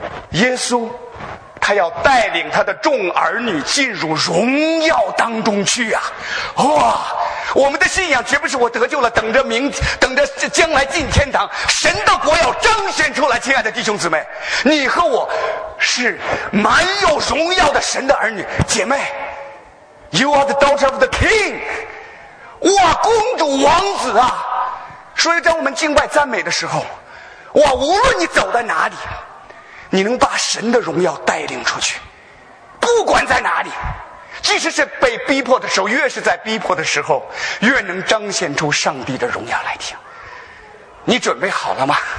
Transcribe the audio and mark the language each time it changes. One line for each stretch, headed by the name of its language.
Chinese: 耶稣他要带领他的众儿女进入荣耀当中去啊！哇，我们的信仰绝不是我得救了，等着将来进天堂，神的国要彰显出来。亲爱的弟兄姊妹，你和我是满有荣耀的神的儿女。
English: 姐妹， You are the daughter of the king。
Chinese: 哇，公主王子啊！所以在我们敬拜赞美的时候，哇，无论你走在哪里，你能把神的荣耀带领出去，不管在哪里，即使是被逼迫的时候，越是在逼迫的时候，越能彰显出上帝的荣耀来听。你准备好了吗？